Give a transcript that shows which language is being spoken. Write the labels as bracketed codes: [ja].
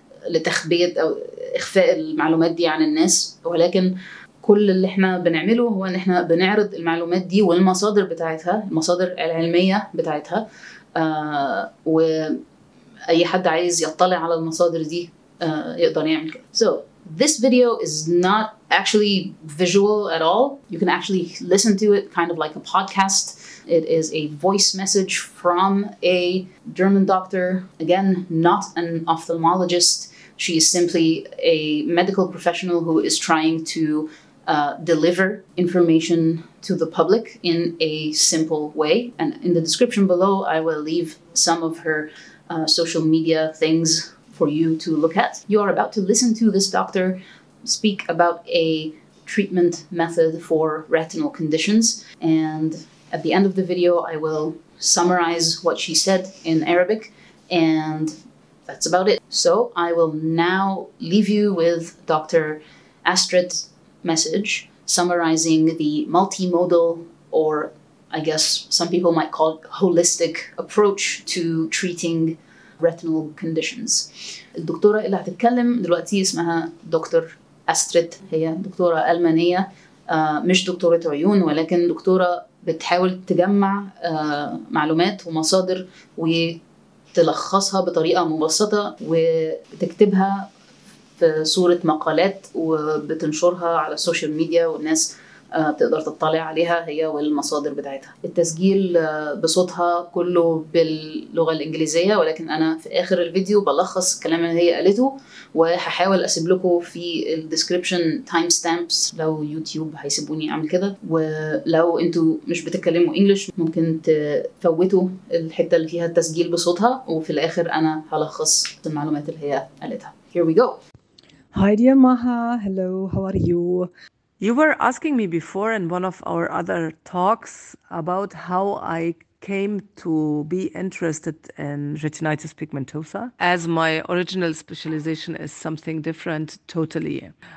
[ar] لتخبية أو إخفاء المعلومات دي عن الناس ولكن كل اللي احنا بنعمله هو ان احنا بنعرض المعلومات دي والمصادر بتاعتها المصادر العلمية بتاعتها وأي حد عايز يطلع على المصادر دي يقدر يعمل كده. [en] So this video is not actually visual at all. You can actually listen to it kind of like a podcast. It is a voice message from a German doctor. Again, not an ophthalmologist. She is simply a medical professional who is trying to deliver information to the public in a simple way. And in the description below, I will leave some of her social media things for you to look at. You are about to listen to this doctor speak about a treatment method for retinal conditions. And at the end of the video, I will summarize what she said in Arabic. And that's about it. So I will now leave you with Dr. Astrid's message summarizing the multimodal, or I guess some people might call it holistic, approach to treating retinal conditions. [ar] الدكتورة اللي هتتكلم دلوقتي اسمها دكتور أستريد. هي دكتورة ألمانية, مش دكتورة عيون, ولكن دكتورة بتحاول تجمع معلومات ومصادر وتلخصها بطريقة مبسطة وتكتبها في صورة مقالات وبتنشرها على السوشيال ميديا والناس تقدر تطلع عليها هي والمصادر بتاعتها. التسجيل بصوتها كله باللغة الإنجليزية, ولكن أنا في آخر الفيديو بلخص الكلام اللي هي قالته وححاول أسيب لكم في [en] الديسكريبشن time stamps [ar] لو يوتيوب هيسيبوني أعمل كده, ولو أنتوا مش بتتكلموا إنجليش ممكن تفوتوا الحتة اللي فيها التسجيل بصوتها, وفي الآخر أنا هلخص المعلومات اللي هي قالتها. [en] Here we go. Hi dear Maha, hello, how are you? You were asking me before in one of our other talks about how I came to be interested in retinitis pigmentosa, as my original specialization is something different totally.